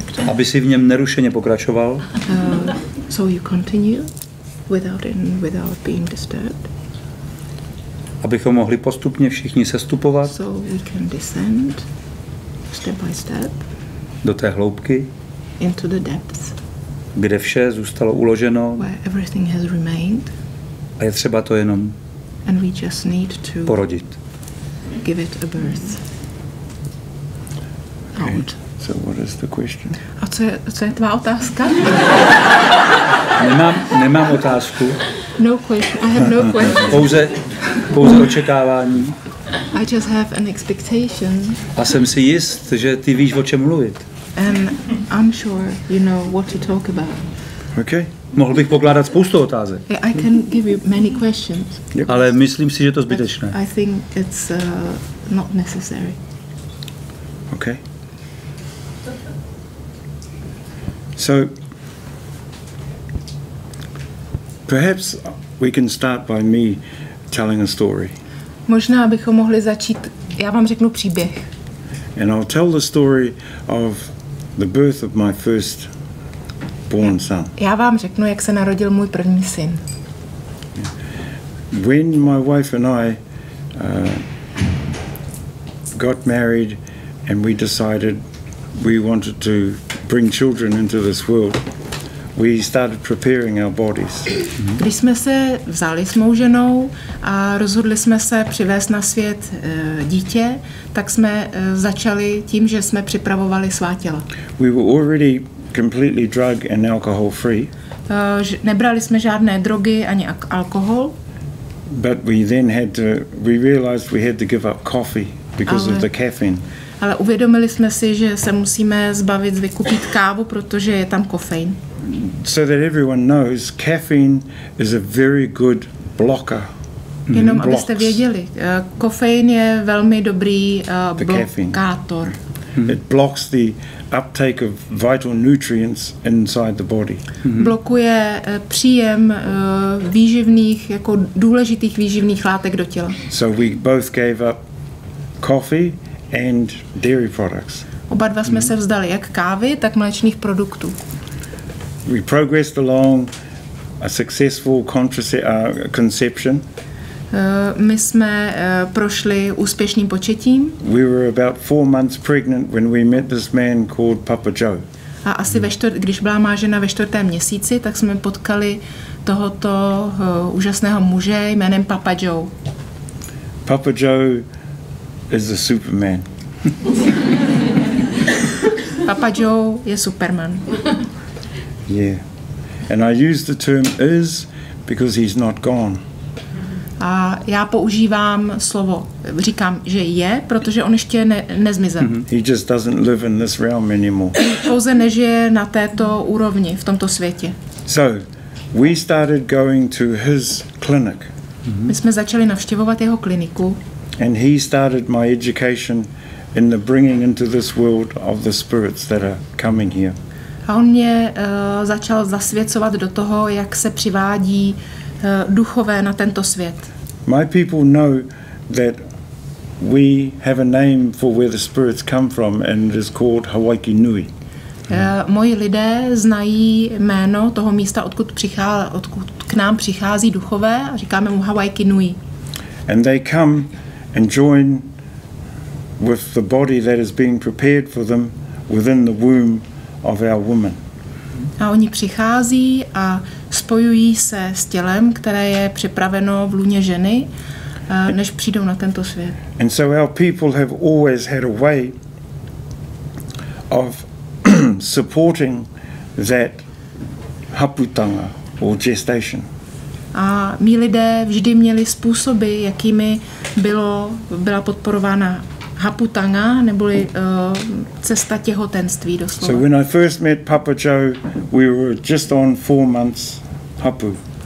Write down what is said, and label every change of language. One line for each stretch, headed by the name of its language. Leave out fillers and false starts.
Czech: Aby si v něm nerušeně pokračoval.
English: So you continue without being disturbed.
Czech: Abychom mohli postupně všichni sestupovat.
English: So we can descend step by step.
Czech: Do té hloubky.
English: Into the depths.
Czech: Kde vše zůstalo uloženo.
English: Where everything has remained.
Czech: A je třeba to jenom.
English: And we just need to
Czech: porodit.
English: Give it a birth. Okay. Out. So what is the question?
Czech: A co je tvá otázka? Nemám otázku.
English: No question. I have no question.
Czech: Pouze očekávání.
English: I just have an expectation.
Czech: A jsem si jist, že ty víš, o čem mluvit.
English: And I'm sure you know what to talk about. Okay.
Czech: Mohl bych pokládat spoustu otázek.
English: I can give you many questions.
Czech: Ale myslím si, že to zbytečné.
English: I think it's not necessary. Okay. So perhaps we can start by me telling a story.
Czech: Možná bychom mohli začít. Já vám řeknu příběh.
English: And I'll tell the story of the birth of my first born son.
Czech: Já vám řeknu, jak se narodil můj první syn.
English: When my wife and I got married and we decided we wanted to bring children into this world, we started preparing our bodies.
Czech: Když jsme se vzali s mou ženou a rozhodli jsme se přivést na svět dítě, tak jsme začali tím, že jsme připravovali svá těla.
English: We were already completely drug and alcohol free.
Czech: Nebrali jsme žádné drogy ani alkohol.
English: But we then had to, we realized we had to give up coffee because of the caffeine.
Czech: Ale uvědomili jsme si, že se musíme zbavit zvyku pít kávu, protože je tam kofein.
English: So that everyone knows, caffeine is a very good blocker.
Czech: Jenom abyste věděli, kofein je velmi dobrý blokátor.
English: It blocks the uptake of vital nutrients inside the body.
Czech: Blokuje příjem výživných, jako důležitých výživných látek do těla.
English: So we both gave up coffee and dairy products.
Czech: Oba dva jsme se vzdali jak kávy, tak mléčných produktů.
English: We progressed along a successful conception.
Czech: My jsme prošli úspěšným početím.
English: We were about 4 months pregnant when we met this man called Papa Joe.
Czech: A asi když byla má žena ve čtvrtém měsíci, tak jsme potkali tohoto úžasného muže jménem Papa Joe.
English: Papa Joe is a Superman.
Czech: Papa Joe je Superman. Yeah.
English: And I use the term is because he's not gone.
Czech: A já používám slovo, říkám, že je, protože on ještě nezmizel.
English: He just doesn't live in this realm anymore.
Czech: Pouze nežije na této úrovni, v tomto světě. So,
English: We started going to his clinic.
Czech: My jsme začali navštěvovat jeho kliniku.
English: And he started my education in the bringing into this world of the spirits that are coming here.
Czech: A on mě začal zasvěcovat do toho, jak se přivádí duchové na tento svět.
English: My people know that we have a name for where the spirits come from and it is called Hawaiki Nui.
Czech: Moji lidé znají jméno toho místa, odkud k nám přichází duchové, a říkáme mu Hawaiki Nui.
English: And they come and join with the body that is being prepared for them within the womb of our woman.
Czech: A oni přichází a spojují se s tělem, které je připraveno v lůně ženy, než přijdou na tento svět.
English: And so our people have always had a way of supporting that haputanga or gestation.
Czech: A mí lidé vždy měli způsoby, jakými byla podporována haputanga, neboli cesta těhotenství doslova.
English: So when I first met Papa Joe, we were just on 4 months hapu.